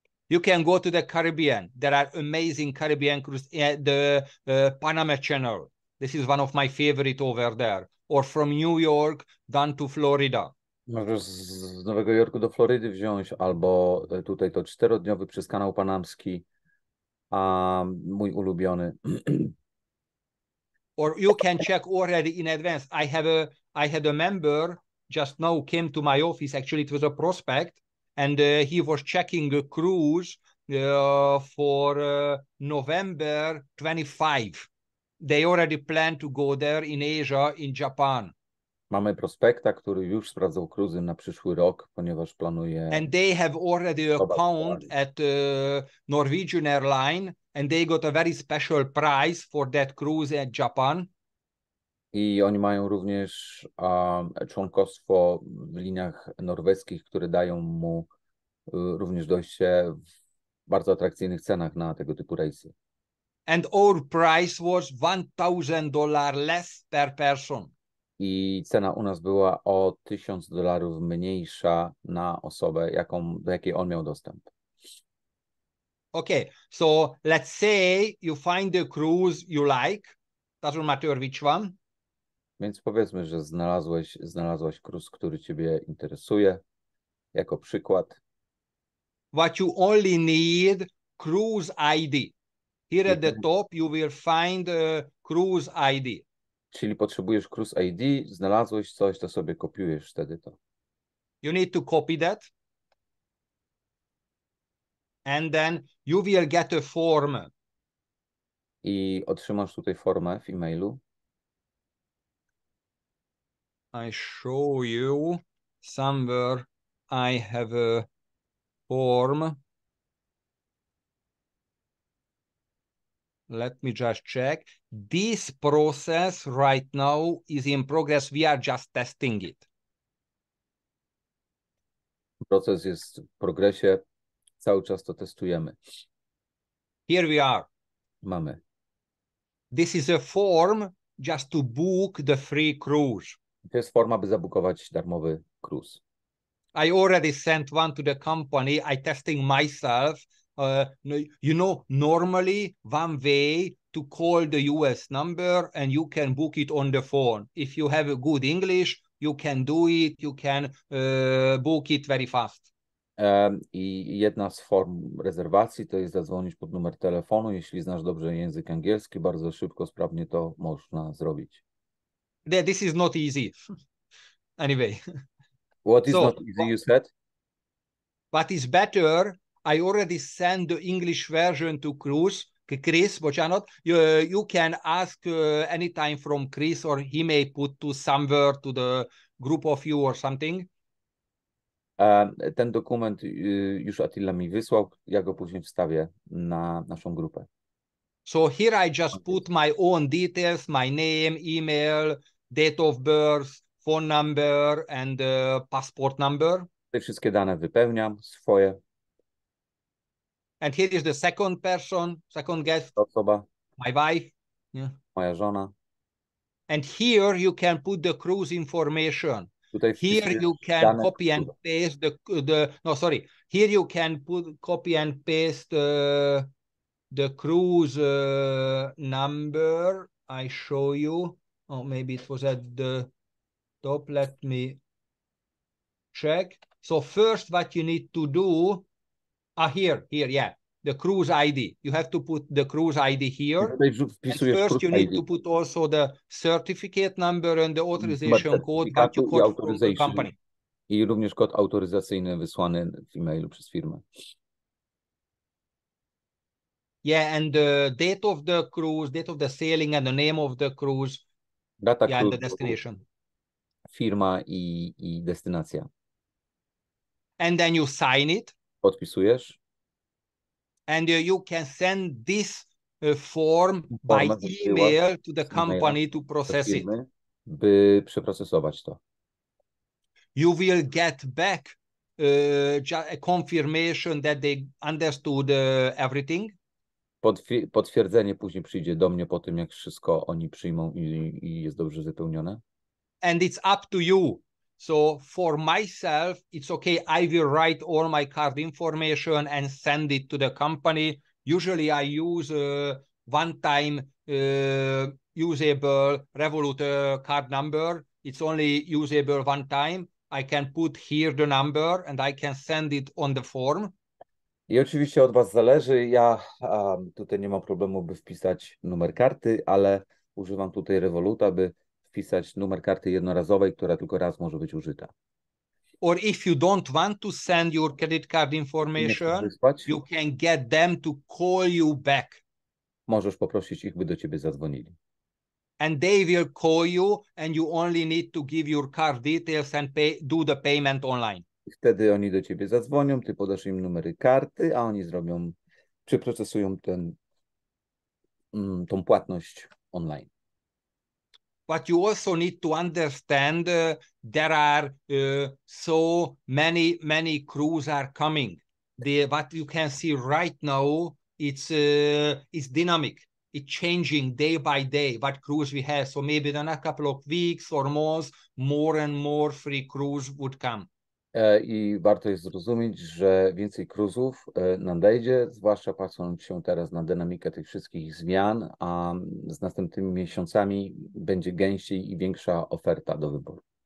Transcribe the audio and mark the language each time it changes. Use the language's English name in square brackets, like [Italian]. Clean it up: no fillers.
[English] You can go to the Caribbean. There are amazing Caribbean cruises. The Panama Channel. This is one of my favorite over there. Or from New York down to Florida. [Polish] Możesz z Nowego Jorku do Florydy wziąć, albo tutaj to czterodniowy przez kanał panamski, a mój ulubiony. [English] Or you can check already in advance. I had a member just now came to my office. Actually, it was a prospect, and he was checking a cruise for November 25. They already plan to go there in Asia, in Japan. [Polish] Mamy prospekta, który już sprawdzał kruzy na przyszły rok, ponieważ planuje. [English] And they have already account at Norwegian Airline. And they got a very special price for that cruise at Japan. [Polish] I oni mają również członkostwo w liniach norweskich, które dają mu również dojście w bardzo atrakcyjnych cenach na tego typu rejsy. [English] And our price was $1,000 less per person. [Polish] I cena u nas była o $1,000 mniejsza na osobę, do jakiej on miał dostęp. [English] Okay, so let's say you find the cruise you like, doesn't matter which one. [Polish] Więc powiedzmy, że znalazłeś cruise, który ciebie interesuje, jako przykład. [English] What you only need, cruise ID. Here at the top you will find a cruise ID. [Polish] Czyli potrzebujesz cruise ID, znalazłeś coś, to sobie kopiujesz wtedy to. [English] You need to copy that. And then you will get a form. [Polish] I otrzymasz tutaj formę w e-mailu. [English] I show you somewhere I have a form. Let me just check. This process right now is in progress. We are just testing it. [Polish] Proces jest w progresie. Cały czas to testujemy. [English] Here we are. [Polish] Mamy. [English] This is a form just to book the free cruise. [Polish] To jest forma, by zabukować darmowy cruise. [English] I already sent one to the company. I testing myself. You know, normally one way to call the US number and you can book it on the phone. If you have a good English, you can do it. You can book it very fast. [Polish] I jedna z form rezerwacji to jest zadzwonić pod numer telefonu. Jeśli znasz dobrze język angielski, bardzo szybko, sprawnie to można zrobić. [English] This is not easy. Anyway. What is not easy, you said? What is better, I already sent the English version to Chris, which are not, you can ask anytime from Chris, or he may put to somewhere to the group of you or something. [Polish] Ten dokument już Attila mi wysłał, ja go później wstawię na naszą grupę. [English] So here I just put my own details, my name, email, date of birth, phone number and passport number. [Polish] Te wszystkie dane wypełniam, swoje. [English] And here is the second person, second guest, [Polish] osoba. [English] My wife. [Polish] Yeah. Moja żona. [English] And here you can put the cruise information. [Polish] Tutaj [English] here you can [Polish] dane [English] copy and cruise. Paste the no, sorry. Here you can put copy and paste the cruise number I show you. Oh, maybe it was at the top. Let me check. So first, what you need to do, here, yeah, the cruise ID. You have to put the cruise ID here. And first, you need ID. To put also the certificate number and the authorization code that you got from the company. [Polish] I również kod autoryzacyjny wysłany w e-mailu przez firmę. [English] Yeah, and the date of the cruise, date of the sailing and the name of the cruise. [Polish] Data [English] yeah, and the destination. [Polish] Firma i destynacja. [English] And then you sign it. [Polish] Podpisujesz. [English] And you can send this form by email to the company to process it. [Polish] By przeprocesować to. [English] You will get back a confirmation that they understood everything. [Polish] Potwierdzenie później przyjdzie do mnie po tym, jak wszystko oni przyjmą i jest dobrze wypełnione. [English] And it's up to you. So for myself, it's okay. I will write all my card information and send it to the company. Usually I use a one-time usable Revolut card number. It's only usable one time. I can put here the number and I can send it on the form. [Polish] I oczywiście od was zależy. Ja tutaj nie mam problemu, by wpisać numer karty, ale używam tutaj Revoluta, by wpisać numer karty jednorazowej, która tylko raz może być użyta. [English] Or if you don't want to send your credit card information, you can get them to call you back. [Polish] Możesz poprosić ich, by do ciebie zadzwonili. [English] And they will call you and you only need to give your card details and pay, do the payment online. [Polish] I wtedy oni do ciebie zadzwonią, ty podasz im numery karty, a oni zrobią, przeprocesują tą płatność online. [English] But you also need to understand there are so many, many crews are coming. What you can see right now, it's dynamic. It's changing day by day what crews we have. So maybe in a couple of weeks or months, more and more free crews would come. [Polish] I warto jest zrozumieć, że więcej cruise'ów nadejdzie, zwłaszcza patrząc się teraz na dynamikę tych wszystkich zmian, a z następnymi miesiącami będzie gęściej i większa oferta do wyboru.